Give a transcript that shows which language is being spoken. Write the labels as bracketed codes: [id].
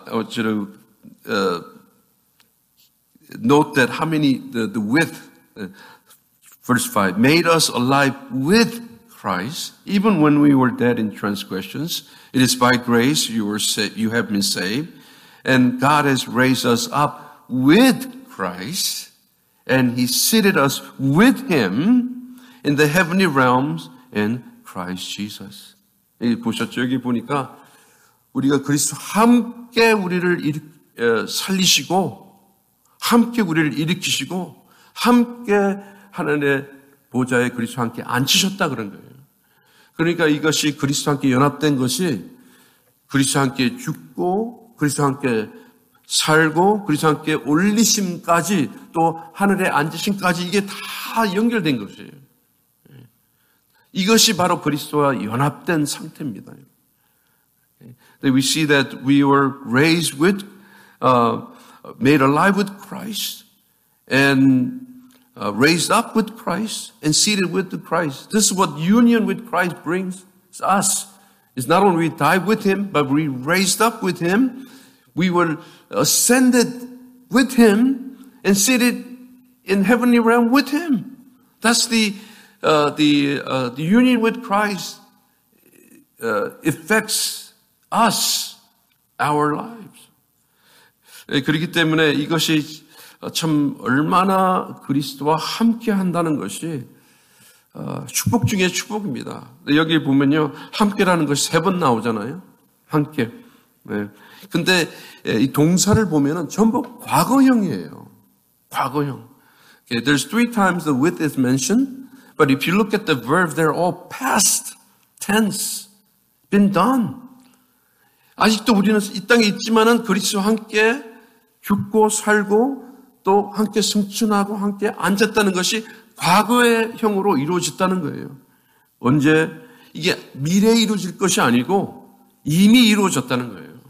[en] I want you to note that how many, the width, verse 5, made us alive with Christ, even when we were dead in transgressions. It is by grace you have been saved. And God has raised us up with Christ, and he seated us with him in the heavenly realms in Christ Jesus. [ko] 여기 보셨죠? 여기 보니까 우리가 그리스도 함께 우리를 살리시고 함께 우리를 일으키시고 함께 하늘의 보좌에 그리스도와 함께 앉히셨다 그런 거예요. 그러니까 이것이 그리스도와 함께 연합된 것이 그리스도와 함께 죽고 그리스도와 함께 살고 그리스도와 함께 올리심까지 또 하늘에 앉으심까지 이게 다 연결된 것이에요. 이것이 바로 그리스도와 연합된 상태입니다. [en] We see that we were raised with, made alive with Christ and raised up with Christ and seated with Christ. This is what union with Christ brings us. It's not only we died with him, but we raised up with him. We were ascended with him and seated in heavenly realm with him. That's the union with Christ affects us, our lives. [ko] 그렇기 때문에 이것이 참 얼마나 그리스도와 함께 한다는 것이 축복 중에 축복입니다. 여기 보면요, 함께라는 것이 세 번 나오잖아요. 함께. 네. 근데 이 동사를 보면은 전부 과거형이에요. 과거형. [en] Okay, there's three times the with is mentioned, but if you look at the verb, they're all past tense, been done. [ko] 아직도 우리는 이 땅에 있지만은 그리스도와 함께 죽고 살고 또 함께 승천하고 함께 앉았다는 것이 과거의 형으로 이루어졌다는 거예요. 언제? 이게 미래에 이루어질 것이 아니고 이미 이루어졌다는 거예요.